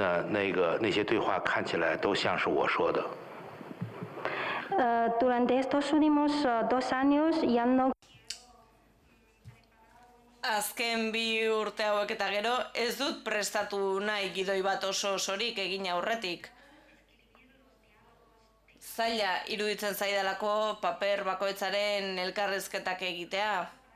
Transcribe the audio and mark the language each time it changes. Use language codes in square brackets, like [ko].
[zh] 我最近这两年拍片子，我都不愿意写出完整的剧本，因为呢，完整的剧本就变成我要去写每一个人物的对话，我自己觉得，我很担心呢，那些对话看起来都像是我说的。 [es] Durante estos últimos dos años ya no... [eu] Azken bi urte hauek eta gero ez dut prestatu nahi gidoi bat oso osorik egin aurretik. Zaila iruditzen zaidalako paper bakoitzaren elkarrezketak egitea.